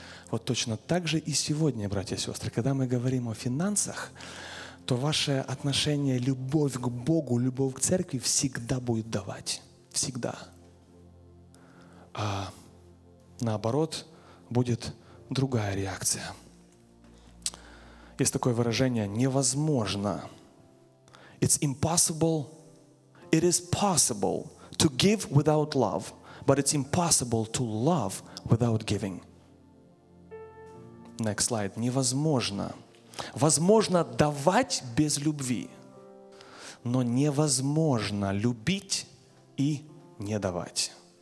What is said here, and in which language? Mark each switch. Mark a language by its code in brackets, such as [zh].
[ru] Вот точно так же и сегодня, братья и сестры, когда мы говорим о финансах, то ваше отношение, любовь к Богу, любовь к церкви всегда будет давать. Всегда. А наоборот, будет другая реакция. Есть такое выражение «невозможно». [en] It's impossible. It is possible to give without love, but it's impossible to love without giving. Next slide. [ru] Невозможно. Возможно давать без любви, но невозможно любить и не давать.